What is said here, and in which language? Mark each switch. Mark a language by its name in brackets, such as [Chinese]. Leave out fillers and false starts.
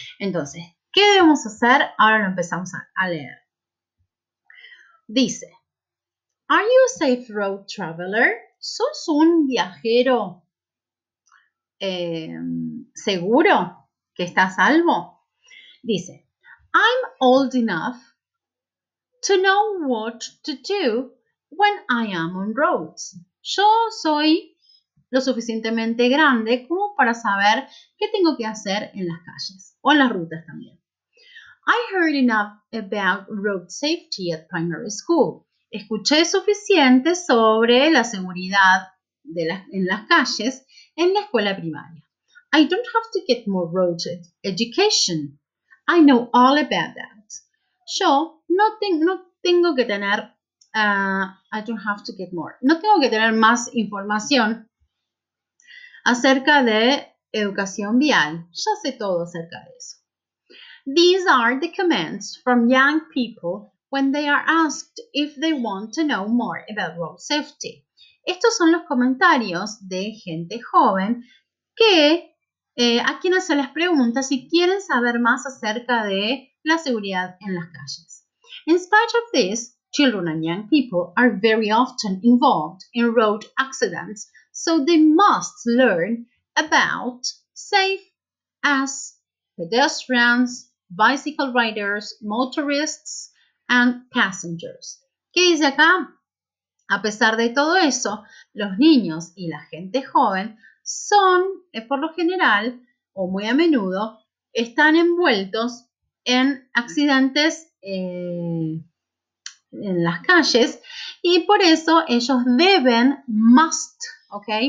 [Spanish] Entonces, ¿qué debemos hacer? Ahora lo empezamos a leer. [English] Dice, Are you a safe road traveler? [Spanish] ¿Sos un viajero seguro que estás a salvo? [English] Dice, I'm old enough to know what to do when I am on roads. [Spanish] Yo soy lo suficientemente grande como para saber qué tengo que hacer en las calles o en las rutas también. [English] I heard enough about road safety at primary school. [Spanish] Escuché suficiente sobre la seguridad de en las calles en la escuela primaria. [English] I don't have to get more road education. I know all about that. [Spanish] Yo no tengo que tener, [English] I don't have to get more. [Spanish] No tengo que tener más información acerca de educación vial. Ya sé todo acerca de eso. [English] These are the comments from young people when they are asked if they want to know more about road safety. [Spanish] Estos son los comentarios de gente joven que a quienes se les pregunta si quieren saber más acerca de la seguridad en las calles. [English] In spite of this, children and young people are very often involved in road accidents, so they must learn about safe as pedestrians, bicycle riders, motorists and passengers. [Spanish] ¿Qué dice acá? A pesar de todo eso, los niños y la gente joven son, por lo general, o muy a menudo, están envueltos en accidentes en las calles y por eso ellos deben, must, ¿ok?